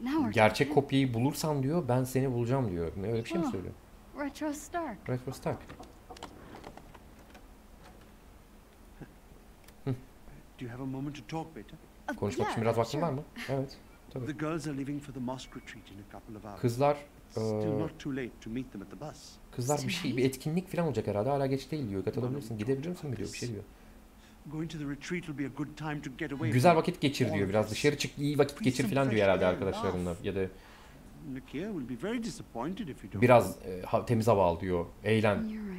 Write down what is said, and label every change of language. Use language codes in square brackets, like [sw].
[tr] Gerçek kopyayı bulursan diyor, ben seni bulacağım diyor. Ne, öyle bir şey mi söylüyor? [en] Retro Stark. Retro Stark. Do you have a moment to talk, Beta? [tr] Konuşmak için biraz vaktin var mı? Evet. Tabii. [en] The girls are leaving for the mosque retreat in a couple of hours. [tr] Kızlar [en] still not too late to meet them at the bus. [tr] Kızlar bir şey, bir etkinlik falan olacak herhalde. Hala geç değil diyor. Katılabilirsin. Gidebilir misin diyor. Bir şey diyor. [en] Going to the retreat will be a good time to get away. [tr] Güzel vakit geçir diyor. Biraz dışarı çık, iyi vakit geçir falan diyor herhalde arkadaşlarınla, ya da [en] Nakia will be very disappointed if you don't. [tr] Biraz temiz hava al diyor. Eğlen.